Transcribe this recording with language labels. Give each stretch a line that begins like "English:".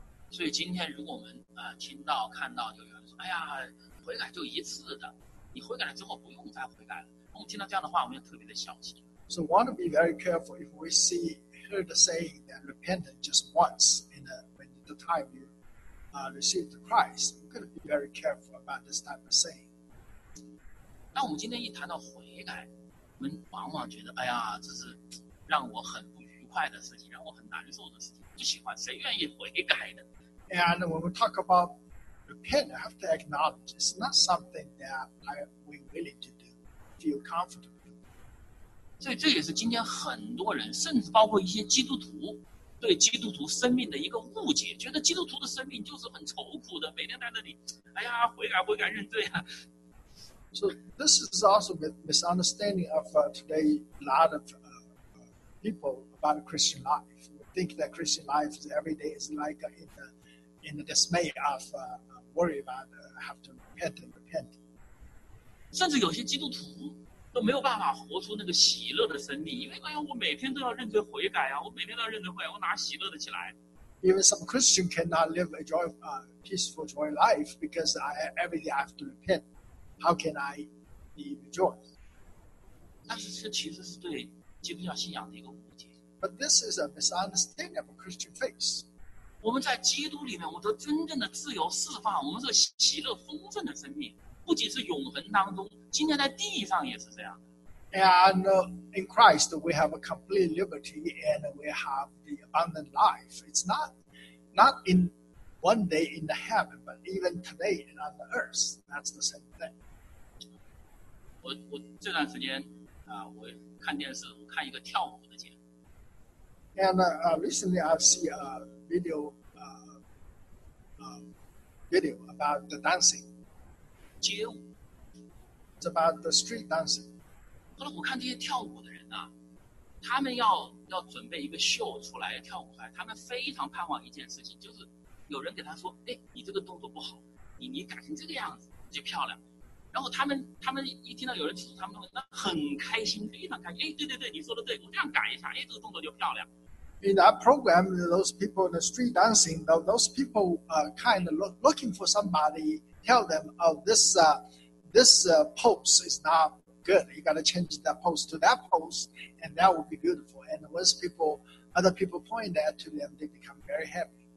Chinese: 所以今天如果我们听到看到有人说，哎呀，悔改就一次的，你悔改了之后不用再悔改了。我们听到这样的话，我们要特别的小心。
English: So, want to be very careful if we see heard the saying that repentance just once in the time you receive the Christ, we're going to be very careful about this type of saying.
Chinese: 那我们今天一谈到悔改，我们往往觉得，哎呀，这是让我很不愉快的事情，让我很难受的事情，不喜欢，谁愿意悔改呢？
English: And when we talk about repent, I have to acknowledge it's not something that we're willing to do. Feel comfortable.
Chinese: 所以这也是今天很多人，甚至包括一些基督徒，对基督徒生命的一个误解，觉得基督徒的生命就是很愁苦的，每天在那里，哎呀，悔改悔改认罪啊。
English: So this is also a misunderstanding of today. A lot of people about Christian life think that Christian life is every day is like in the dismay of worry about have to repent and repent.
Chinese: 甚至有些基督徒都没有办法活出那个喜乐的生命，因为哎呀，我每天都要认罪悔改啊，我每天都要认罪悔改，我哪喜乐的起来？
English: Even some Christian cannot live a joy, peaceful joy life because I every day I have to repent. How can I be rejoiced?
Chinese: 但是这其实是对基督教信仰的一个误解。
English: But this is a misunderstanding of Christian faith.
Chinese: 我们在基督里面，我们得真正的自由释放，我们是喜乐丰盛的生命。不仅是永恒当中，今天在地上也是这样。
English: And in Christ, we have a complete liberty, and we have the abundant life. It's not in one day in the heaven, but even today and on the earth. That's the same thing.
Chinese: 我这段时间我看电视，我看一个跳舞的节目。
English: And recently, I've seen a video about the dancing.
Chinese: 街舞
English: It's about the street dancing.
Chinese: 后来我看这些跳舞的人啊，他们要准备一个秀出来跳舞出来，他们非常盼望一件事情，就是有人给他说：“哎，你这个动作不好，你改成这个样子就漂亮。” 然后他们一听到有人指出他们的问题，那很开心，非常开心。哎，对对对，你说的对，我这样改一下，哎，这个动作就漂亮。
English: in that program, those people in the street dancing, those people kind of looking for somebody, tell them, oh, this pose is not good. You got to change that pose to that pose, and that will be beautiful. And once people, other people point that to them, they become very happy.